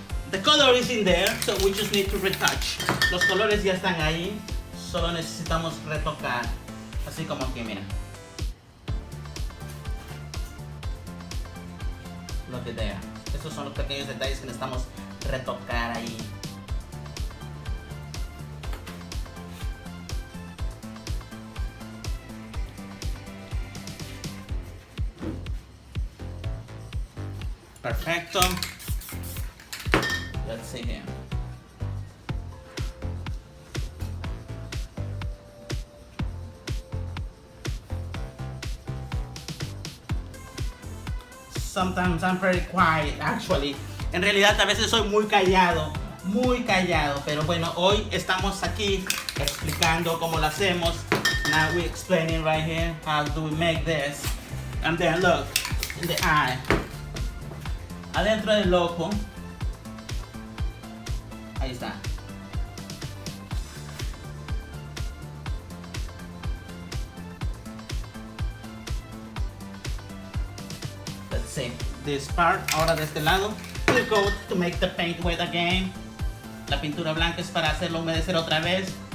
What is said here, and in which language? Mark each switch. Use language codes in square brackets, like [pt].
[en] The color is in there, so we just need to retouch. [es] Los colores ya están ahí, solo necesitamos retocar. Así como aquí, mira. [en] Look at there. [es] Esos son los pequeños detalles que necesitamos retocar ahí. Perfecto. [en] Let's see here. Sometimes I'm very quiet, actually. [es] En realidad, a veces soy muy callado, pero bueno, hoy estamos aquí explicando cómo lo hacemos. [en] Now we're explaining right here, how do we make this. And then look, in the eye. [es] Adentro del ojo. Ahí está. [en] Let's see. This part, [es] ahora de este lado. [en] Clear coat to make the paint wet again. [es] La pintura blanca es para hacerlo humedecer otra vez.